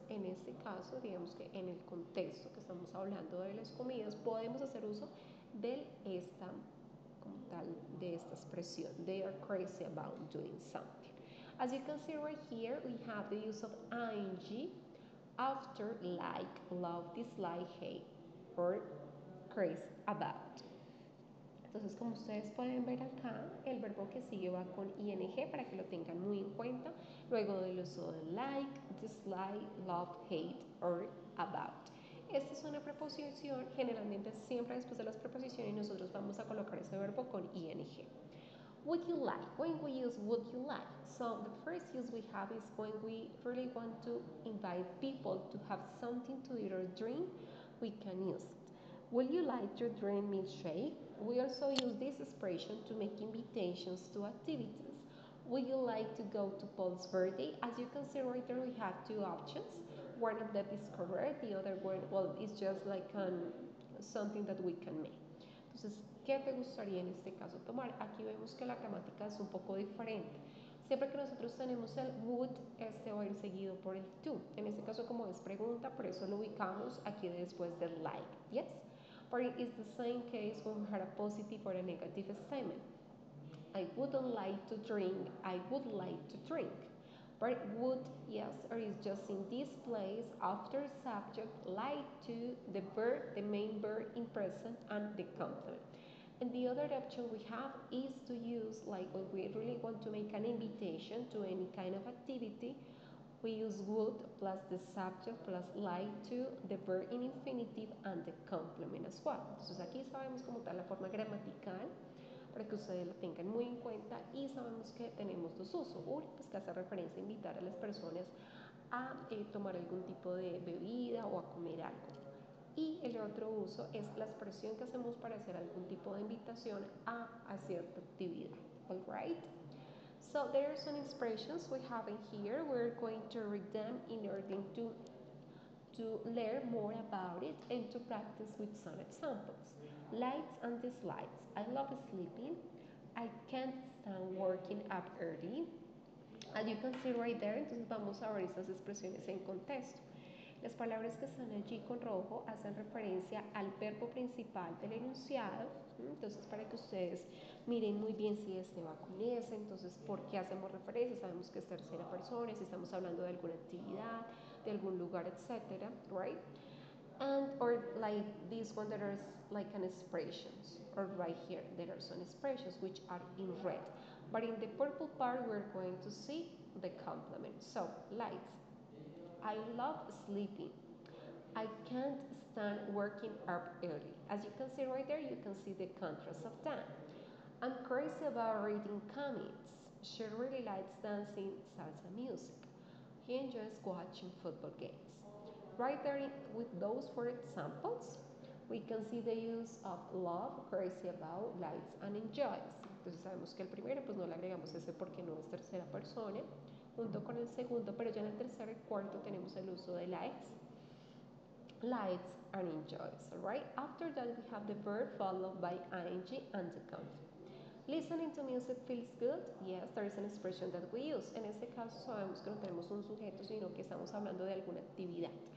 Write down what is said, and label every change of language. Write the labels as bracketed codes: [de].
[es] En este caso, digamos que en el contexto que estamos hablando de las comidas, podemos hacer uso del esta, como tal, de esta expresión. [en] They are crazy about doing something. As you can see right here, we have the use of ing after like, love, dislike, hate, or crazy about. [es] Entonces, como ustedes pueden ver acá, el verbo que sigue va con ing para que lo tengan muy en cuenta, luego del uso de like, dislike, love, hate, or about. Esta es una preposición, generalmente siempre después de las preposiciones nosotros vamos a colocar ese verbo con ing. [en] Would you like? When we use would you like? So the first use we have is when we really want to invite people to have something to eat or drink, we can use it. Would you like to drink milkshake? We also use this expression to make invitations to activities. Would you like to go to Paul's birthday? As you can see right there, we have two options. One of them is correct, the other one, well, it's just like something that we can make. [es] Entonces, ¿qué te gustaría en este caso tomar? Aquí vemos que la gramática es un poco diferente. Siempre que nosotros tenemos el would, este va a ir seguido por el to. En este caso, como es pregunta, por eso lo ubicamos aquí después del like. [en] Yes? But it is the same case when we had a positive or a negative statement. I wouldn't like to drink. I would like to drink. But would, yes, or is just in this place, after subject, like to, the verb, the main verb in present, and the complement. And the other option we have is to use, like when we really want to make an invitation to any kind of activity, we use would plus the subject plus like to, the verb in infinitive, and the complement as well. [es] Entonces aquí sabemos cómo está la forma gramatical, para que ustedes lo tengan muy en cuenta, y sabemos que tenemos dos usos. Uno, pues que hace referencia a invitar a las personas a tomar algún tipo de bebida o a comer algo. Y el otro uso es la expresión que hacemos para hacer algún tipo de invitación a cierta actividad. [en] All right? So there are some expressions we have in here. We're going to read them in order to learn more about it and to practice with some examples. Likes and dislikes. I love sleeping. I can't stand working up early. As you can see right there, [es] entonces vamos a ver esas expresiones en contexto. Las palabras que están allí con rojo hacen referencia al verbo principal del enunciado. Entonces, para que ustedes miren muy bien si es de vacunarse, entonces, ¿por qué hacemos referencia? Sabemos que es tercera persona, si estamos hablando de alguna actividad, de algún lugar, etcétera, right? [en] And, or like this one, there are like an expressions, or right here, there are some expressions which are in red. But in the purple part, we're going to see the complement. So, like, I love sleeping. I can't stand working up early. As you can see right there, you can see the contrast of that. I'm crazy about reading comics. She really likes dancing salsa music. He enjoys watching football games. Right there, with those four examples, we can see the use of love, crazy about, likes, and enjoys. [es] Entonces sabemos que el primero, pues no le agregamos ese porque no es tercera persona, junto con el segundo, pero ya en el tercer y cuarto tenemos el uso de likes, lights and enjoys, right? [en] After that, we have the verb followed by ing and the complement. Listening to music feels good. Yes, there is an expression that we use. [es] En este caso, sabemos que no tenemos un sujeto, sino que estamos hablando de alguna actividad.